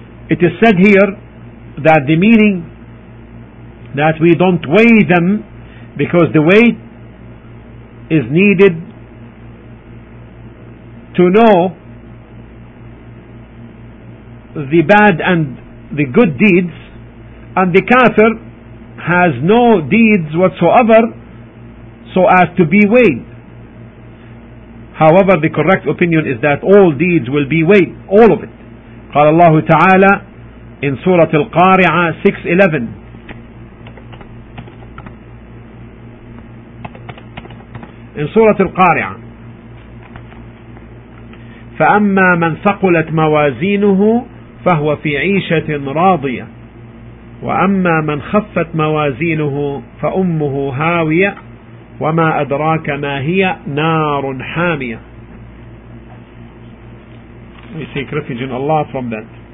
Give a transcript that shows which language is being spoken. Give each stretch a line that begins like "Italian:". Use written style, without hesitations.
English: It is said here that the meaning that we don't weigh them, because the weight is needed to know the bad and the good deeds, and the kafir has no deeds whatsoever so as to be weighed. However, the correct opinion is that all deeds will be weighed, all of it.
Arabic: قال الله تعالى
English: in Surah Al-Qari'ah 6:11, in Surah Al-Qari'ah,
Arabic: فَأَمَّا مَنْ ثَقُلَتْ مَوَازِينُهُ فَهُوَ فِي عِيشَةٍ رَاضِيَةٍ وَأَمَّا مَنْ خَفَّتْ مَوَازِينُهُ فَأُمُّهُ هَاوِيَةٌ وَمَا أَدْرَاكَ مَا هِيَ نَارٌ حَامِيَةٌ.
English: We take refuge in Allah from that.